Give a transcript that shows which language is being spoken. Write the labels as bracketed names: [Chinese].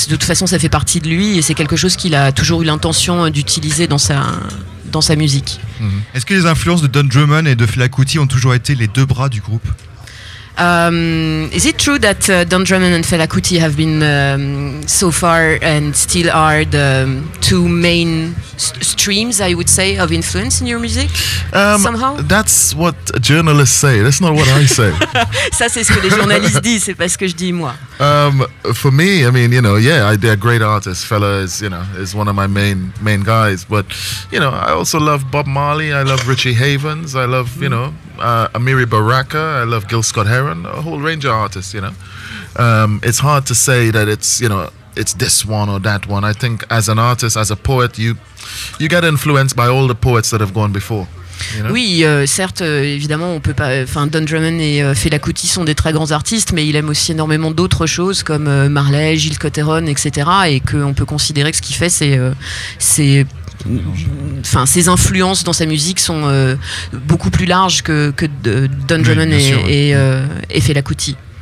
[French] De toute façon, ça fait partie de lui et c'est quelque chose qu'il a toujours eu l'intention d'utiliser dans sa musique. Mm-hmm. Est-ce que les influences de Don Drummond et de Fela Kuti ont toujours été les deux bras du groupe? [English] Is it true that Don Drummond and Fela Kuti have been so far and still are the two main streams, I would say, of influence in your music somehow? That's what journalists say. That's not what I say. [French] Ça, c'est ce que les journalistes disent. C'est pas ce que je dis moi. [English] For me, I mean, you know, yeah, they're great artists. Fela is, you know, is one of my main guys. But you know, I also love Bob Marley. I love Richie Havens. I love, you know, Amiri Baraka, I love Gil Scott-Heron, a whole range of artists, you know. It's hard to say that it's, you know, it's this one or that one. I think as an artist, as a poet, you get influenced by all the poets that have gone before. You know? [French] Oui, certes, évidemment, on peut pas. Enfin, Don Drummond et Fela Kuti sont des très grands artistes, mais il aime aussi énormément d'autres choses comme Marley, Gil Scott-Heron, etc. Et qu'on peut considérer que ce qu'il fait, c'est enfin, ses influences dans sa musique sont beaucoup plus larges que Don Drummond et Fela Kuti.